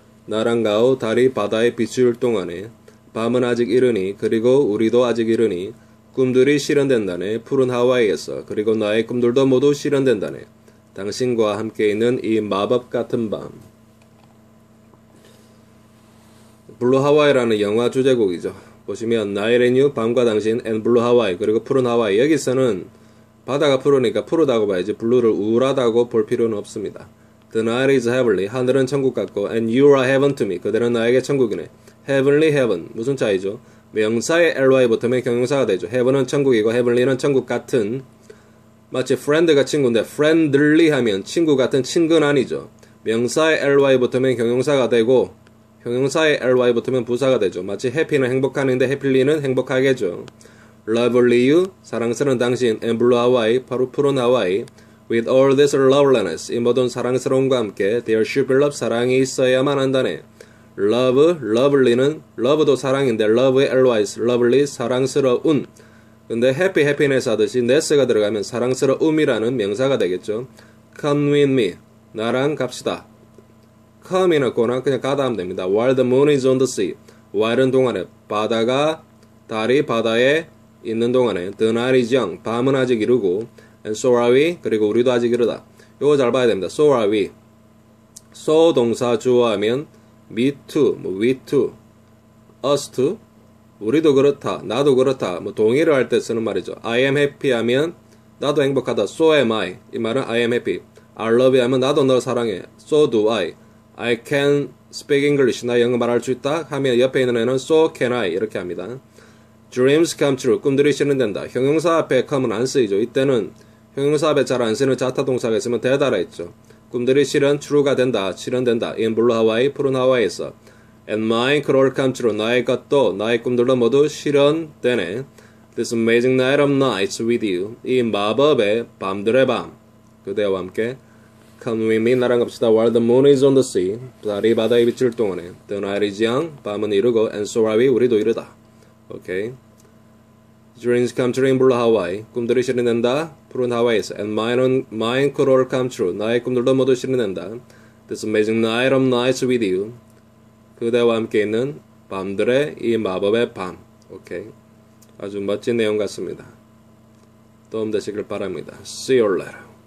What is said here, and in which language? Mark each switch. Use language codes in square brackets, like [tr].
[ko] 나랑가오, 달이 바다에 비추일 동안에, 밤은 아직 이르니, 그리고 우리도 아직 이르니, 꿈들이 실현된다네, 푸른 하와이에서. 그리고 나의 꿈들도 모두 실현된다네, 당신과 함께 있는 이 마법 같은 밤. 블루 하와이라는 영화 주제곡이죠. 보시면 Night and You, 밤과 당신, and Blue Hawaii, 그리고 푸른 하와이. 여기서는 바다가 푸르니까 푸르다고 봐야지 블루를 우울하다고 볼 필요는 없습니다. [en] The night is heavenly, [ko] 하늘은 천국 같고, [en] and you are heaven to me, [ko] 그대는 나에게 천국이네. Heavenly, heaven, 무슨 차이죠? 명사에 ly 붙으면 경용사가 되죠. Heaven은 천국이고 heavenly는 천국 같은. 마치 friend가 친구인데 friendly 하면 친구 같은, 친근한이죠. 명사에 ly 붙으면 경용사가 되고, 형용사에 ly 붙으면 부사가 되죠. 마치 happy는 행복한인데 happily는 행복하겠죠. [en] lovely you, [ko] 사랑스러운 당신, and blue Hawaii, 바로 푸른 하와이. [en] With all this loveliness, [ko] 이 모든 사랑스러움과 함께, [en] there should be love, [ko] 사랑이 있어야만 한다네. love, lovely는, love도 사랑인데 love에 ly, lovely, 사랑스러운. 근데 happy, happiness 하듯이 ness가 들어가면 사랑스러움이라는 명사가 되겠죠. [en] come with me, [ko] 나랑 갑시다. Come이나 go나 그냥 가다 하면 됩니다. [en] While the moon is on the sea, while은 동안에, [ko] 바다가, 달이 바다에 있는 동안에, [en] the night is young, [ko] 밤은 아직 이르고, [en] and so are we, [ko] 그리고 우리도 아직 이르다. 이거 잘 봐야 됩니다. [en] So are we. [ko] So 동사 주어하면 me too, 뭐 we too, us too, 우리도 그렇다, 나도 그렇다, 뭐 동의를 할 때 쓰는 말이죠. [en] I am happy [ko] 하면 나도 행복하다. [en] So am I. 이 말은 I am happy. I love you [ko] 하면 나도 너를 사랑해. [en] So do I. I can speak English, [ko] 나 영어 말할 수 있다 하면 옆에 있는 애는 [en] so can I [ko] 이렇게 합니다. [en] Dreams come true, [ko] 꿈들이 실현된다. 형용사 앞에 come은 안 쓰이죠. 이때는 형용사 앞에 잘 안 쓰이는 자타동사가 있으면 대다라 했죠. 꿈들이 실현, true가 된다, 실현된다. [en] In blue Hawaii, [ko] 푸른 하와이에서. [en] And mine could all come true, [ko] 나의 것도, 나의 꿈들도 모두 실현되네. [en] This amazing night of nights with you, [ko] 이 마법의 밤들의 밤. 그대와 함께. [en] Come with me, [ko] 나랑 갑시다. [en] While the moon is on the sea, [ko] 달이 바다에 비칠 동안에. [en] The night is young, [ko] 밤은 이르고, [en] and so are we, [ko] 우리도 이르다. [en] Okay. Dreams come true in blue Hawaii. [ko] 꿈들이 실현된다. 푸른 하와이에서. [en] And mine could all come true. [ko] 나의 꿈들도 모두 실현된다. [en] This amazing night of nights with you. [ko] 그대와 함께 있는 밤들의 이 마법의 밤. [en] Okay. [ko] 아주 멋진 내용 같습니다. 도움 되시길 바랍니다. [en] See you later.